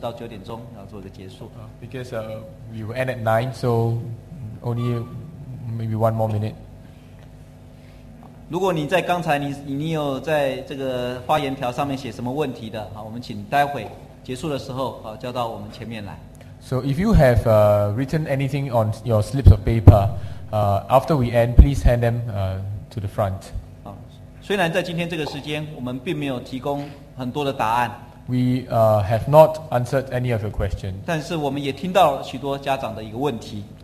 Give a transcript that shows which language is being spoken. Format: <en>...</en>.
<zh>好，我们赶快再花最后的几分钟，再发问一些问题，不然我们要做一个结束，因为我们是到九点钟要做一个结束。</zh> <en>Because we will end at 9, so only maybe one more minute.</en> <zh>如果你在刚才你有在这个发言条上面写什么问题的，我们请待会结束的时候叫到我们前面来。</zh> <en>So if you have written anything on your slips of paper, after we end, please hand them to the front.</en> <zh>虽然在今天这个时间，我们并没有提供很多的答案。</zh> <en>We have not answered any of your questions.</en> <zh>但是我们也听到许多家长的一个问题。</zh>